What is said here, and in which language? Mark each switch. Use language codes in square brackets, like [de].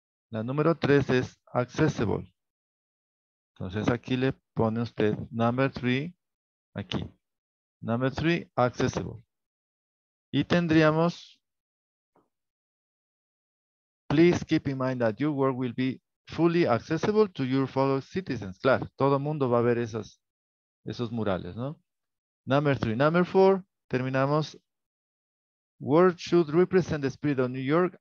[es] La número 3 es accessible. Entonces aquí le pone usted [en] number 3, [es] aquí. [en] Number 3, accessible. [es] Y tendríamos, [en] please keep in mind that your work will be fully accessible to your fellow citizens. [es] Claro, todo mundo va a ver esos murales, ¿no? [en] Number 3. Number 4, [es] terminamos. [en] Word should represent the spirit of New York.